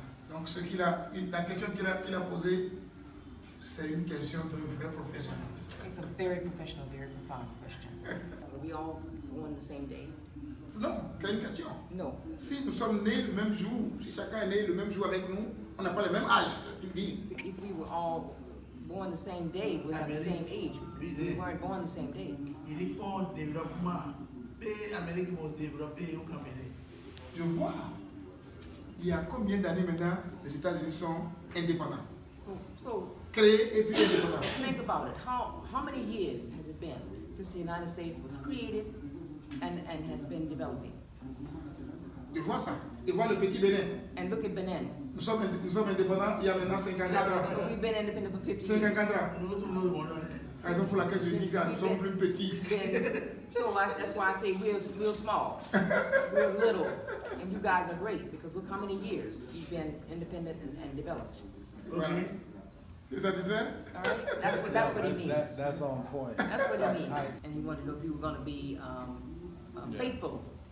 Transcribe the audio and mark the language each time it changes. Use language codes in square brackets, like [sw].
[fr] Donc ce qu'il a, la question qu'il a posée, c'est une question d'un vrai professionnel. [en] It's a very professional, very profound question. Are we all born the same day? [fr] Non, c'est une question. [en] No. [fr] Si nous sommes nés le même jour, si chacun est né le même jour avec nous, on n'a pas le même âge. C'est ce qu'il dit. [en] So if we were all born the same day, we had the same age. We weren't born the same day. [fr] Il est en développement. Et l'Amérique va développer au Cameroun. Je vois. Il y a combien d'années maintenant les États-Unis sont indépendants? [en] So, [fr] créés et puis indépendants. [en] Think about it. How many years has it been since the United States was created and has been developing? [fr] Je vois ça. Je vois le petit Bénin. [en] And look at Benin. [fr] Nous sommes indépendants. Il y a maintenant 50 ans. [en] We've been independent for 50 years. 50 [fr] ans. Nous voilà. Raison pour laquelle je dis ça, nous sommes plus petits. [en] That's why I say we're small. We're little. And you guys are great, because look how many years you've been independent and developed. Okay. Is that the same? All right. That's what he means. That's on point. That's what he means. And he wanted to know if you were going to be faithful.